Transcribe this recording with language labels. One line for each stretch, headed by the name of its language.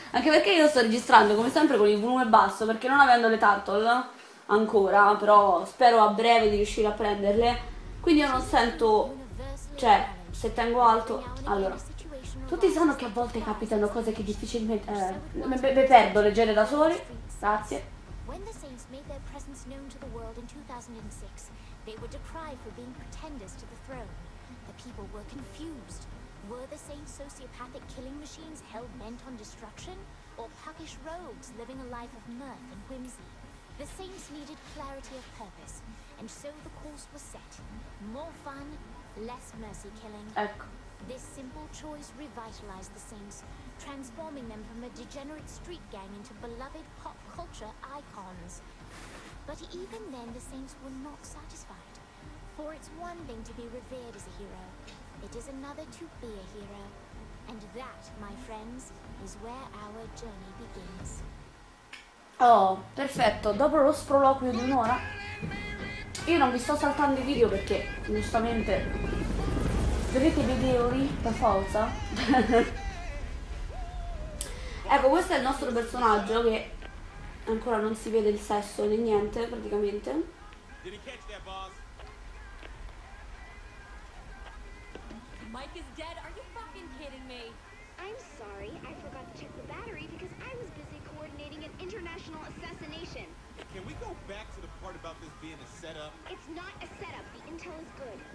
Italian: Anche perché io sto registrando come sempre con il volume basso, perché non avendo le turtle ancora, però spero a breve di riuscire a prenderle. Quindi io non sento, cioè se tengo alto. Allora, tutti sanno che a volte capitano cose che difficilmente mi perdo leggere da soli. Grazie.
English: When the Saints made their presence known to the world in 2006, they were decried for being pretenders to the throne. The people were confused. Were the Saints sociopathic killing machines hell-bent on destruction, or puckish rogues living a life of mirth and whimsy? The Saints needed clarity of purpose, and so the course was set. More fun, less mercy killing.
Italian: Ecco.
English: This simple choice revitalized the Saints, transforming them from a degenerate street gang into beloved pop culture icons. But even then, the Saints were not satisfied. For it's one thing to be revered as a hero, it is another to be a hero. And that, my friends, is where our journey begins.
Italian: Oh, perfetto. Dopo lo sproloquio di un'ora, io non vi sto saltando i video perché, giustamente, vedete i video lì, per forza. Ecco, questo è il nostro personaggio, che ancora non si vede il sesso né niente, praticamente.
English: Did he catch that, boss? Mike is dead, are you fucking kidding me? I'm sorry, I forgot to check the battery because I was busy coordinating an international assassination. Can we go back to the part about this being a setup? It's not a setup, the intel is good.